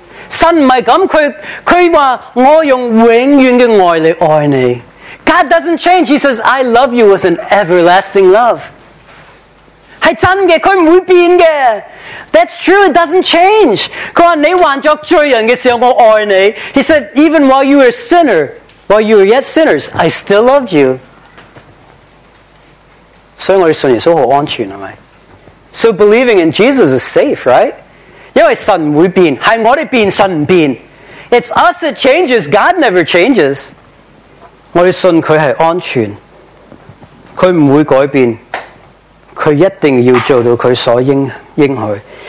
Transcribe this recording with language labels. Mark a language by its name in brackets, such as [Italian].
[Chinese] 神不是这样，他说我用永远的爱来爱你。 [English] God doesn't change, He says, I love you with an everlasting love. [Chinese] 是真的，他不会变的。 [English] That's true, it doesn't change. [Chinese] 他说你还作罪人的时候我爱你。 [English] He said, even while you were a sinner, while you were yet sinners, I still loved you. [Chinese] 所以我们信耶稣很安全，是吧？ [English] So believing in Jesus is safe, right? [Chinese] 因为神不会变，是我们变，神不变。 [English] It's us that changes, God never changes. [Chinese] 我们信祂是安全，祂不会改变，祂一定要做到祂所应许。